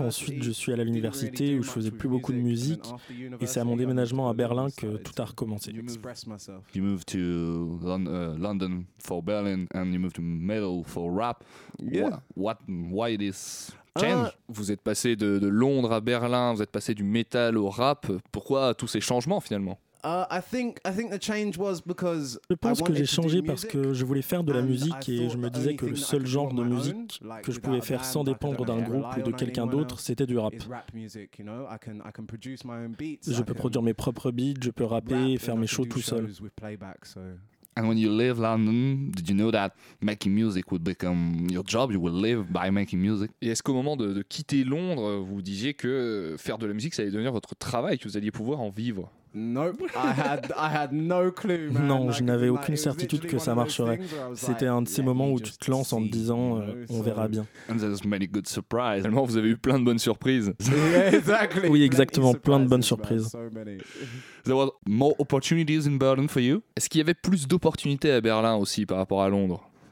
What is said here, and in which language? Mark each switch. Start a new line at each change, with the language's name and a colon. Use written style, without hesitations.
French: Ensuite, je suis à l'université où je faisais plus beaucoup de musique. Et c'est à mon déménagement à Berlin que tout a recommencé.
English: You moved to London for Berlin and you moved to metal for rap. Yeah. What? Why this?
French: Vous êtes passé de Londres à Berlin, vous êtes passé du métal au rap. Pourquoi tous ces changements finalement? Je pense que j'ai changé parce que je voulais faire de la musique et je me disais que le seul genre de musique que je pouvais faire sans dépendre d'un groupe ou de quelqu'un d'autre, c'était du rap. Je peux produire mes propres beats, je peux rapper et faire mes shows tout seul.
English: And when you leave London, did you know that making music would become your job? You would live by making music.
French: Et est-ce qu'au moment de quitter Londres, vous disiez que faire de la musique, ça allait devenir votre travail, que vous alliez pouvoir en vivre?
English: I had no clue, man.
French: Non, je n'avais aucune certitude que ça marcherait. C'était un de ces moments où tu te lances en te disant, on verra bien.
English: And there's many good surprises.
French: Finalement, vous avez eu plein de bonnes surprises.
English: Exactly.
French: Oui, exactement, plein de bonnes surprises.
English: There were more opportunities in Berlin for you.
French: Est-ce qu'il y avait plus d'opportunités à Berlin aussi par rapport à Londres?